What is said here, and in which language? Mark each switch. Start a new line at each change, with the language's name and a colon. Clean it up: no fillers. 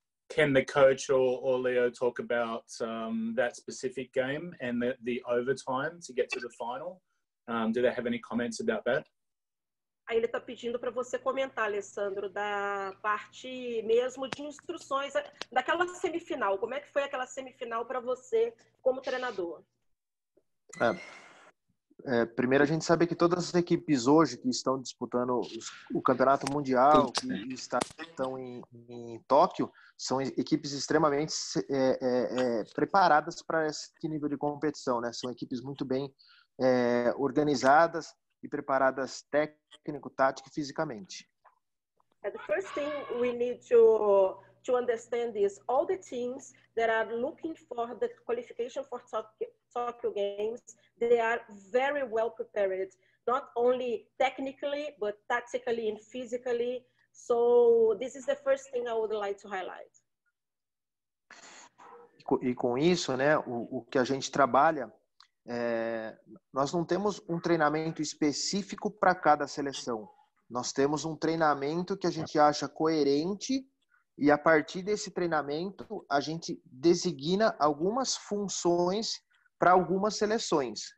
English: Can the coach or Leo talk about that specific game and the overtime to get to the final? Do they have any comments about that?
Portuguese: Aí ele está pedindo para você comentar, Alessandro, da parte mesmo de instruções daquela semifinal. Como é que foi aquela semifinal para você como treinador? Primeiro, a gente sabe que todas as equipes hoje que estão disputando o Campeonato Mundial, que estão em Tóquio, são equipes extremamente preparadas para esse nível de competição, né? São equipes muito bem organizadas e preparadas técnico, tático e fisicamente.
English: The first thing we need to understand is all the teams that are looking for the qualification for Tokyo Games, they are very well prepared, not only technically, but tactically and physically. So this is the first thing I would like to highlight.
Portuguese: E com isso, né, o que a gente trabalha, nós não temos um treinamento específico para cada seleção. Nós temos um treinamento que a gente acha coerente e, a partir desse treinamento, a gente designa algumas funções para algumas seleções.